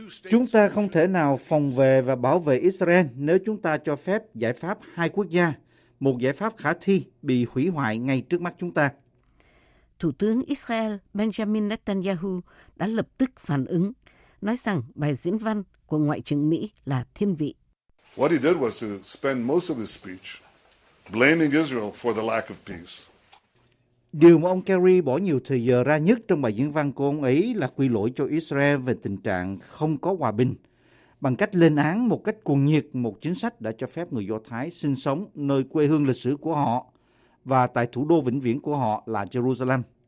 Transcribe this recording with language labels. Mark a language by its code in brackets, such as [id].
[vi] Chúng ta không thể nào phòng vệ và bảo vệ Israel nếu chúng ta cho phép giải pháp hai quốc gia, một giải pháp khả thi bị hủy hoại ngay trước mắt chúng ta. Thủ tướng Israel Benjamin Netanyahu đã lập tức phản ứng, nói rằng bài diễn văn của Ngoại trưởng Mỹ là thiên vị. [en] What he did was to spend most of his speech blaming Israel for the lack of peace. [vi] Điều mà ông Kerry bỏ nhiều thời giờ ra nhất trong bài diễn văn của ông ấy là quy lỗi cho Israel về tình trạng không có hòa bình, bằng cách lên án một cách cuồng nhiệt một chính sách đã cho phép người Do Thái sinh sống nơi quê hương lịch sử của họ và tại thủ đô vĩnh viễn của họ là Jerusalem.